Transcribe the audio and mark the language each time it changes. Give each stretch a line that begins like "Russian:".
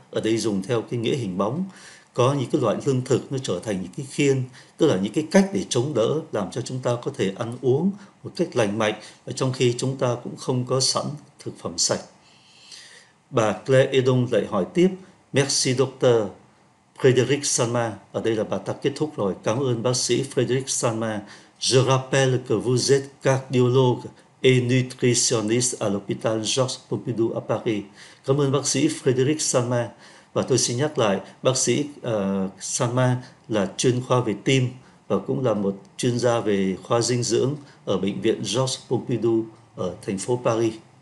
Vietnamese: Ở đây dùng theo cái nghĩa hình bóng. Có những cái loại lương thực nó trở thành những cái khiên, tức là những cái cách để chống đỡ, làm cho chúng ta có thể ăn uống một cách lành mạnh, và trong khi chúng ta cũng không có sẵn thực phẩm sạch. Bà Claire Edon lại hỏi tiếp,
French: merci docteur
Vietnamese: Frédéric Salma. Ở đây là bà ta kết thúc rồi. Cảm ơn bác sĩ Frédéric Salma.
French: Je rappelle que vous êtes cardiologue et nutritionniste à l'hôpital Georges Pompidou à Paris.
Vietnamese: Cảm ơn bác sĩ Frédéric Salma. Và tôi xin nhắc lại, bác sĩ Salma là chuyên khoa về tim và cũng là một chuyên gia về khoa dinh dưỡng ở bệnh viện Georges Pompidou ở thành phố Paris.